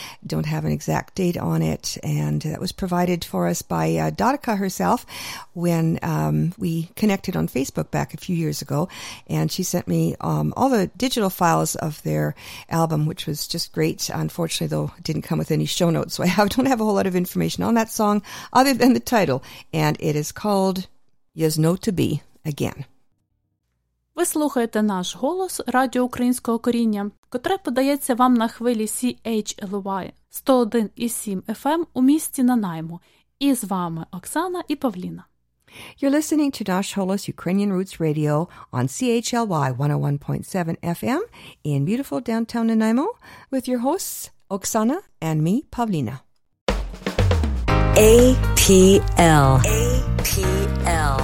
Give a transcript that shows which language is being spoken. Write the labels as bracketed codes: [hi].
[en] Don't have an exact date on it. And that was provided for us by Darko herself when we connected on Facebook back a few years ago. And she sent me all the digital files of their album, which was just great. Unfortunately, though, it didn't come with any show notes, so I don't have a whole lot of information on that song other than the title, and it is called Yes No To Be Again. [uk] Ви слухаєте наш голос Радіо Українського коріння, котре подається вам на хвилі CHLY 101.7 FM у місті Нанаймо. І з вами Оксана і Павліна. [en] You're listening to Nash Holos Ukrainian Roots Radio on CHLY 101.7 FM in beautiful downtown Nanaimo with your hosts, Oksana and me, Pavlina. APL. APL.